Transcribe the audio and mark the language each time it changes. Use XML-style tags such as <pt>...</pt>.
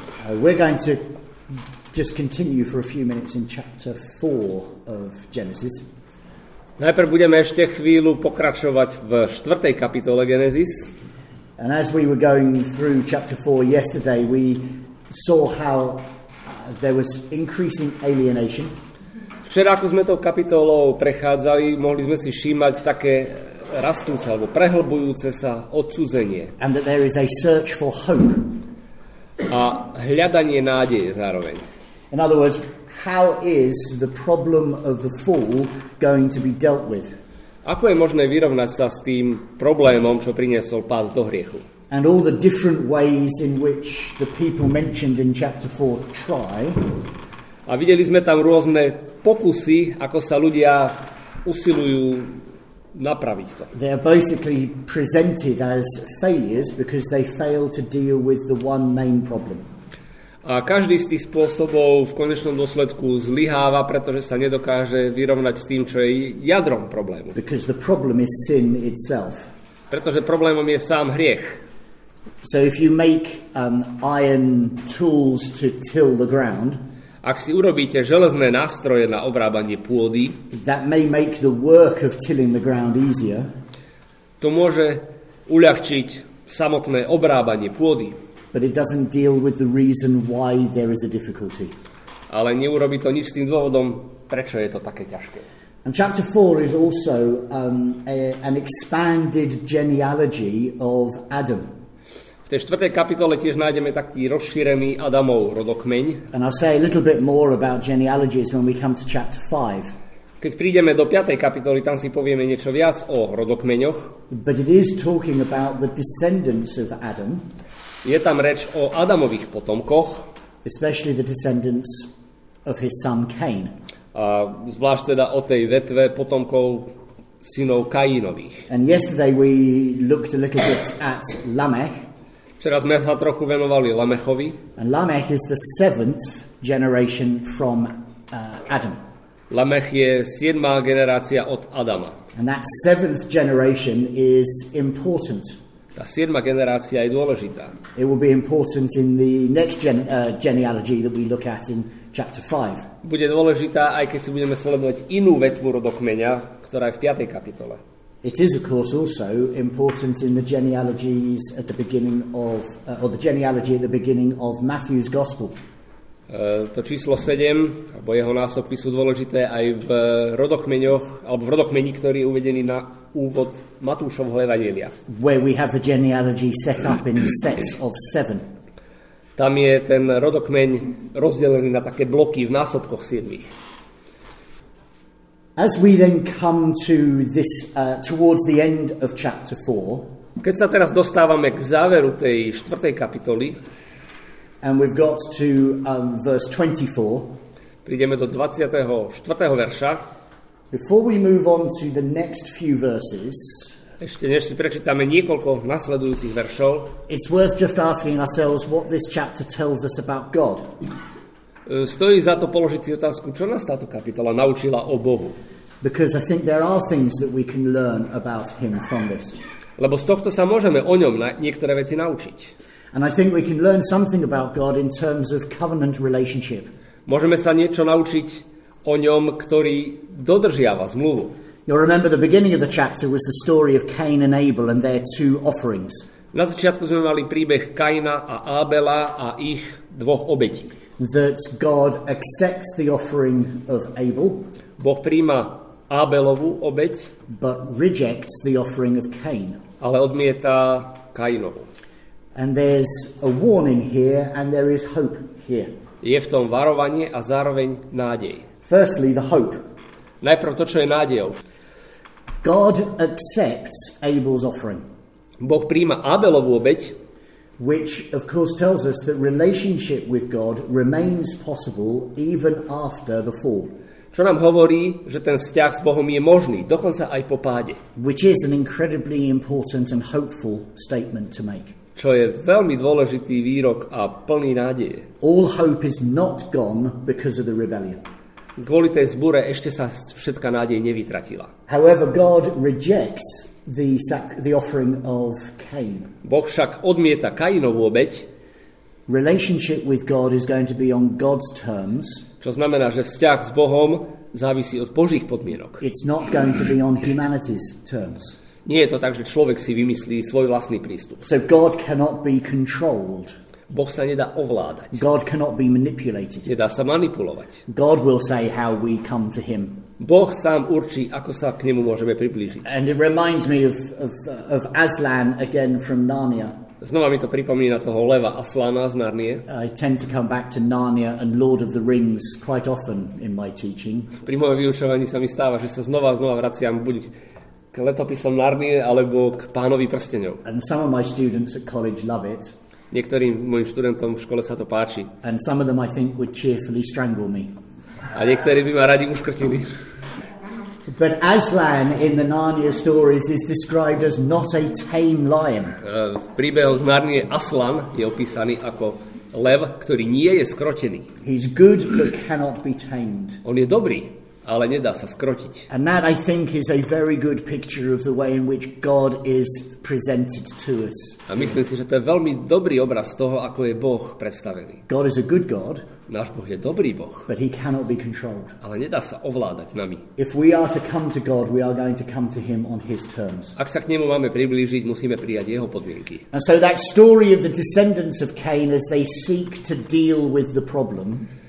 <en>We're going to just continue for a few minutes in chapter 4 of Genesis.</en> <sk>Najprv budeme ešte chvíľu pokračovať v 4. kapitole Genesis.</sk> <en>And as we were going through chapter 4 yesterday, we saw how there was increasing alienation.</en> <sk>Včera, ako sme tou kapitolou prechádzali, mohli sme si všímať také rastúce alebo prehlbujúce sa odcudzenie.</sk> <en>And that there is a search for hope.</en> <sk>A hľadanie nádeje zároveň.</sk> <en>In other words, how is the problem of the fall going to be dealt with?</en> <sk>Ako je možné vyrovnať sa s tým problémom, čo priniesol pád do hriechu?</sk> <en>And all the different ways in which the people mentioned in chapter 4 try.</en> <sk>A videli sme tam rôzne pokusy, ako sa ľudia usilujú napraviť to.</sk> <en>They are basically presented as failures because they fail to deal with the one main problem.</en> <sk>A každý z tých spôsobov v konečnom dôsledku zlyháva, pretože sa nedokáže vyrovnať s tým, čo je jadrom problému.</sk> <en>Because the problem is sin itself.</en> <sk>Pretože problémom je sám hriech.</sk> <en>So if you make iron tools to till the ground,</en> <sk>ak si urobíte železné nástroje na obrábanie pôdy,</sk> <en>that may make the work of tilling the ground easier,</en> <sk>to môže uľahčiť samotné obrábanie pôdy.</sk> <en>But it doesn't deal with the reason why there is a difficulty.</en> <sk>Ale neurobí to nič s tým dôvodom, prečo je to také ťažké.</sk> <en>And chapter 4 is also an expanded genealogy of Adam.</en> <sk>V tej 4. kapitole tiež nájdeme taký rozšírený Adamov rodokmeň.</sk> <en>And I'll say a little bit more about genealogies when we come to chapter 5.</en> <sk>Keď prídeme do 5. kapitoly, tam si povieme niečo viac o rodokmeňoch.</sk> <en>But it is talking about the descendants of Adam.</en> <sk>Je tam reč o Adamových potomkoch,</sk> <en>especially the descendants of his son Cain.</en> <sk>A zvlášť teda o tej vetve potomkov synov Kainových.</sk> <en>And yesterday we looked a little bit at Lamech.</en> <sk>Včera sme sa trochu venovali Lamechovi.</sk> <en>And Lamech is the seventh generation from Adam.</en> <sk>Lamech je 7. generácia od Adama.</sk> <en>And that seventh generation is important.</en> <sk>Tá 7. generácia je dôležitá.</sk> <en>It will be important in the next genealogy that we look at in chapter 5.</en> <sk>Bude dôležitá, aj keď si budeme sledovať inú vetvu rodokmeňa, ktorá je v 5. kapitole.</sk> <en>It is of course also important in the genealogies at the beginning of or the genealogy at the beginning of Matthew's gospel.</en> <sk>To číslo 7, alebo jeho násobky sú dôležité aj v rodokmeňoch, alebo v rodokmeni, ktorý je uvedený na úvod Matúšovho evanjelia.</sk> <en>Where we have the genealogy set up in sets of 7.</en> <sk>Tam je ten rodokmeň rozdelený na také bloky v násobkoch 7.</sk> <en>As we then come to this towards the end of chapter 4.</en> <sk>Keď sa teraz dostávame k záveru tej 4. kapitoly,</sk> <en>and we've got to verse 24.</en> <sk>Prídeme do 24. verša.</sk> <en>Before we move on to the next few verses,</en> <sk>ešte než si prečítame niekoľko nasledujúcich veršov,</sk> <en>it's worth just asking ourselves what this chapter tells us about God.</en> <sk>Stojí za to položiť si otázku, čo nás táto kapitola naučila o Bohu.</sk> <en>Because I think there are things that we can learn about him from this.</en> <sk>Lebo z tohto sa môžeme o ňom niektoré veci naučiť.</sk> <en>And I think we can learn something about God in terms of covenant relationship.</en> <sk>Môžeme sa niečo naučiť o ňom, ktorý dodržiava zmluvu.</sk> <en>You remember the beginning of the chapter was the story of Cain and Abel and their two offerings.</en> <sk>Na začiatku sme mali príbeh Kaina a Abela a ich dvoch obetí.</sk> <en>That God accepts the offering of Abel.</en> <sk>Boh prijíma Abelovu obeť,</sk> <en>but rejects the offering of Cain.</en> <sk>Ale odmieta Kainovu.</sk> <en>And there's a warning here and there is hope here.</en> <sk>Je v tom varovanie a zároveň nádej.</sk> <en>Firstly, the hope.</en> <sk>Najprv to, čo je nádejou.</sk> <en>God accepts Abel's offering.</en> <sk>Boh prijíma Abelovu obeť,</sk> <en>which of course tells us that relationship with God remains possible even after the fall.</en> <sk>Čo nám hovorí, že ten vzťah s Bohom je možný, dokonca aj po páde.</sk> <en>Which is an incredibly important and hopeful statement to make.</en> <sk>Čo je veľmi dôležitý výrok a plný nádeje.</sk> <en>All hope is not gone because of the rebellion.</en> <sk>Kvôli tej zbure ešte sa všetka nádej nevytratila.</sk> <en>However, God rejects the offering of Cain.</en> <sk>Boh však odmieta Kainovu obeť.</sk> <en>relationship with God is going to be on God's terms.</en> <sk>Čo znamená, že vzťah s Bohom závisí od Božích podmienok.</sk> <en>It's not going to be on humanity's terms.</en> <sk>Nie je to tak, že človek si vymyslí svoj vlastný prístup.</sk> <en>So God cannot be controlled.</en> <sk>Boh sa nedá ovládať.</sk> <en>God cannot be manipulated.</en> <sk>Nedá sa manipulovať.</sk> <en>God will say how we come to him.</en> <sk>Boh sám určí, ako sa k nemu môžeme priblížiť.</sk> <en>And it reminds me of Aslan again from Narnia.</en> <sk>Znova mi to pripomína toho leva Aslana z Narnie.</sk> <en>I tend to come back to Narnia and Lord of the Rings quite often in my teaching.</en> <sk>Pri mojom vyučovaní sa mi stáva, že sa znova a znova vraciam buď k letopisom Narnie alebo k Pánovi prsteňov.</sk> <en>And some of my students at college love it.</en> <sk>Niektorým mojim študentom v škole sa to páči.</sk> <en>And some of them I think would cheerfully strangle me.</en> <sk>A niektorí by ma radi uškrtili.</sk> <en>But Aslan in the Narnia stories is described as not a tame lion.</en> <sk>V príbehu z Narnie Aslan je opísaný ako lev, ktorý nie je skrotený.</sk> <en>He's good but cannot be tamed.</en> <sk>On je dobrý, ale nedá sa skrotiť.</sk> <en>And that I think is a very good picture of the way in which God is presented to us.</en> <sk>A myslím si, že to je veľmi dobrý obraz toho, ako je Boh predstavený.</sk> <en>God is a good God.</en> <sk>Náš Boh je dobrý Boh.</sk> <en>But he cannot be controlled.</en> <sk>Ale nedá sa ovládať nami.</sk> <en>If we are to come to God, we are going to come to him on his terms.</en> <sk>Ak sa k nemu máme priblížiť, musíme prijať jeho podmienky.</sk> <en>And so that story of the descendants of Cain as they seek to deal with the problem.</en>